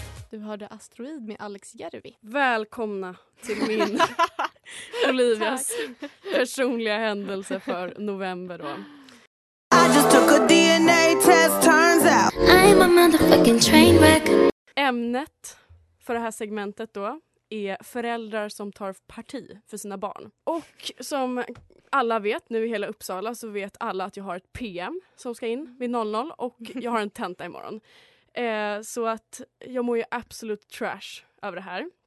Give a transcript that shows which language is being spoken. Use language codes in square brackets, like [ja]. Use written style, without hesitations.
[sv] Du hörde Asteroid med Alex Järvi. Välkomna till min Olivias personliga händelse för november då. [en] DNA test turns out. I'm a motherfucking train wreck. [sv] Ämnet för det här segmentet då är föräldrar som tar parti för sina barn. Och som alla vet, nu i hela Uppsala så vet alla att jag har ett PM som ska in vid 00 och jag har en tenta imorgon. Så att jag mår ju absolut trash över det här.